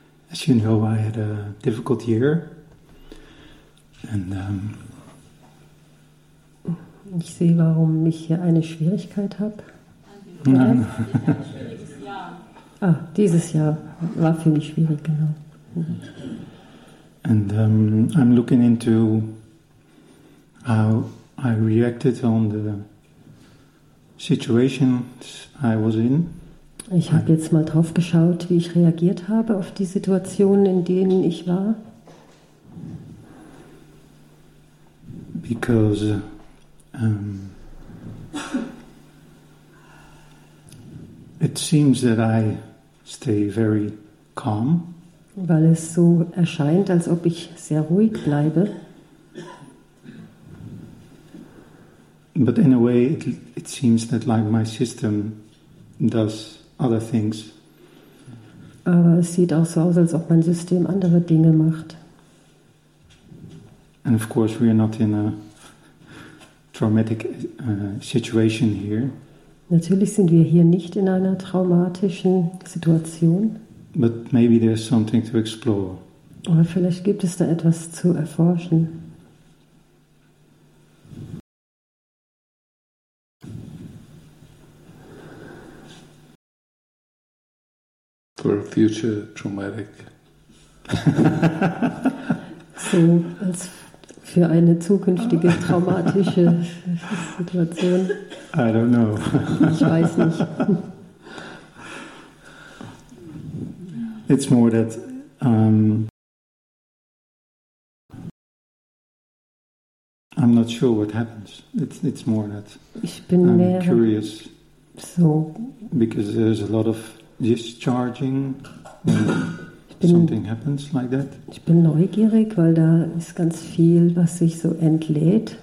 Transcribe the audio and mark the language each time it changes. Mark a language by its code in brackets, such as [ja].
[en] As you know, I had a difficult year, and [de] ich sehe, warum ich hier eine Schwierigkeit habe. Nein. Ah, dieses Jahr war für mich schwierig, genau. [en] And I'm looking into how I reacted on the situation I was in. [de] Ich habe jetzt mal drauf geschaut, wie ich reagiert habe auf die Situationen, in denen ich war. [en] Because it seems that I stay very calm. [de] Weil es so erscheint, als ob ich sehr ruhig bleibe. [en] But in a way, it seems that like my system does other things. [de] Aber es sieht auch so aus, als ob mein System andere Dinge macht. [en] And of course, we are not in a traumatic situation here. [de] Natürlich sind wir hier nicht in einer traumatischen Situation. [en] But maybe there's something to explore. [de] Oder vielleicht gibt es da etwas zu erforschen. [en] For a future traumatic. [de] So, als für eine zukünftige traumatische Situation. [en] I don't know. [de] Ich weiß nicht. [en] It's more that I'm not sure what happens. It's more that [de] ich bin [en] I'm [de] mehr [en] curious. So. Because there's a lot of discharging when something happens like that. [de] Ich bin neugierig, weil da ist ganz viel, was sich so entlädt.